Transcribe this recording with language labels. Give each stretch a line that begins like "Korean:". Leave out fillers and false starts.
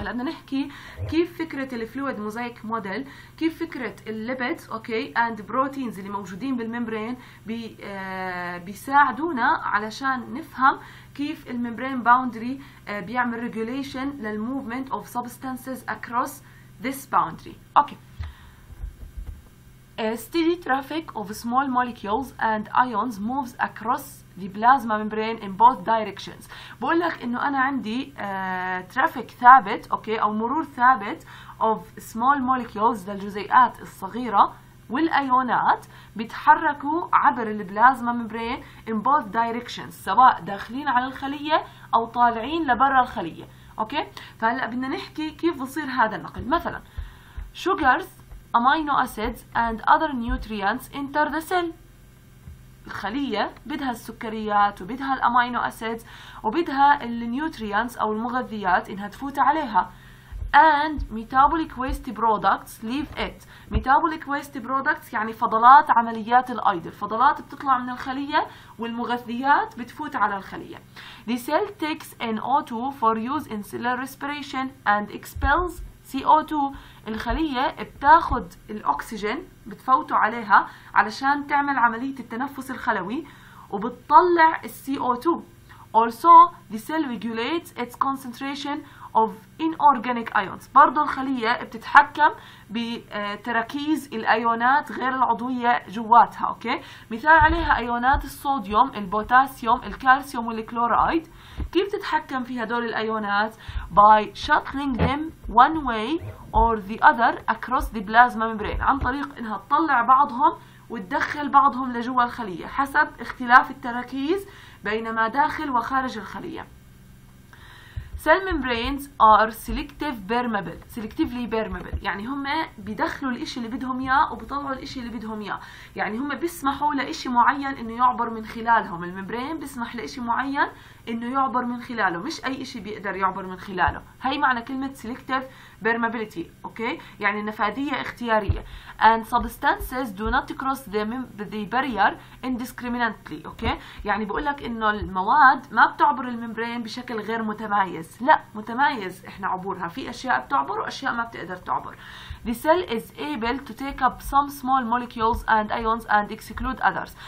Arabic: هلا بدنا نحكي كيف فكرة الـ fluid mosaic model، كيف فكرة الـ lipids، okay،
English: and proteins
Arabic: اللي موجودين بالممبرين بيساعدونا علشان نفهم كيف الـ membrane boundary بيعمل regulation للـ
English: movement of substances across this boundary. Okay. A steady traffic of small molecules and ions moves across the plasma membrane in both directions.
Arabic: بقول لك إنه أنا عندي traffic ثابت، أوكي، أو مرور ثابت
English: of small molecules
Arabic: للجزيئات الصغيرة والأيونات، بيتحركوا عبر البلازما membrane
English: in both directions،
Arabic: سواء داخلين على الخلية أو طالعين لبرا الخلية، أوكي؟ فهلأ بدنا نحكي كيف بصير هذا النقل.
English: مثلا sugars, amino acids and other nutrients enter the cell.
Arabic: الخلية بدها السكريات وبدها الأمينو أسيدز وبدها النيوتريانس أو المغذيات إنها تفوت عليها.
English: And metabolic waste products leave it. Metabolic waste products
Arabic: يعني فضلات عمليات الأيض، الفضلات بتطلع من الخلية والمغذيات بتفوت على الخلية.
English: The cell takes in O2 for use in cellular respiration and expels CO2.
Arabic: الخلية بتاخد الأكسجين بتفوته عليها علشان تعمل عملية التنفس الخلوي وبتطلع CO2.
English: Also the cell regulates its concentration of inorganic ions.
Arabic: برضو الخلية بتتحكم بتركيز الأيونات غير العضوية جواتها، أوكي؟ مثال عليها أيونات الصوديوم، البوتاسيوم، الكالسيوم والكلورايد. كيف تتحكم في هدول الأيونات؟
English: By shuttling them one way or the other across the plasma membrane.
Arabic: عن طريق إنها تطلع بعضهم وتدخل بعضهم لجوا الخلية حسب اختلاف التركيز بينما داخل وخارج الخلية.
English: Cell membranes are selective permeable. Selectively permeable.
Arabic: يعني هم بيدخلوا الإشي اللي بدهم إياه وبيطلعوا الإشي اللي بدهم إياه. يعني هم بيسمحوا لإشي معين إنه يعبر من خلالهم. الممبرين بيسمح لإشي معين إنه يعبر من خلاله، مش أي إشي بيقدر يعبر من خلاله. هاي معنى كلمة selective
English: permeability, okay?
Arabic: يعني نفاذية اختيارية.
English: And substances do not cross the barrier indiscriminately, okay?
Arabic: يعني بقولك إنه المواد ما بتعبر الممبرين بشكل غير متمايز. لا, متمايز إحنا عبورها. في أشياء بتعبر وأشياء ما بتقدر تعبر.
English: The cell is able to take up some small molecules and ions and exclude others.